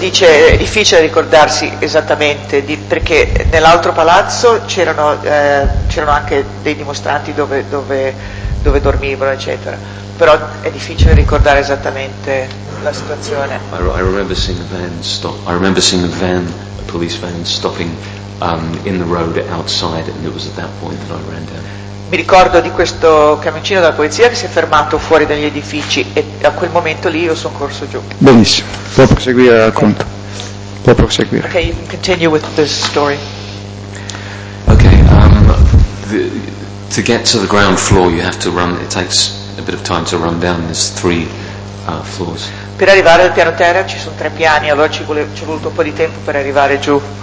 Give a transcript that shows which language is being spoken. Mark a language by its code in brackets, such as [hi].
[it] Dice, è difficile ricordarsi esattamente di, perché nell'altro palazzo c'erano c'erano anche dei dimostranti dove dormivano, eccetera. Però è difficile ricordare esattamente la situazione. [en] I remember seeing a van stop. I remember seeing a van, a police van stopping in the road outside, and it was at that point that I ran down. [it] Mi ricordo di questo camioncino della polizia che si è fermato fuori dagli edifici e a quel momento lì io sono corso giù. Benissimo, può proseguire racconto. Può proseguire. [en] Okay, you can continue with this story. Okay, to get to the ground floor you have to run, it takes a bit of time to run down these three floors. [it] Per arrivare al piano terra ci sono tre piani, allora ci è voluto un po' di tempo per arrivare giù.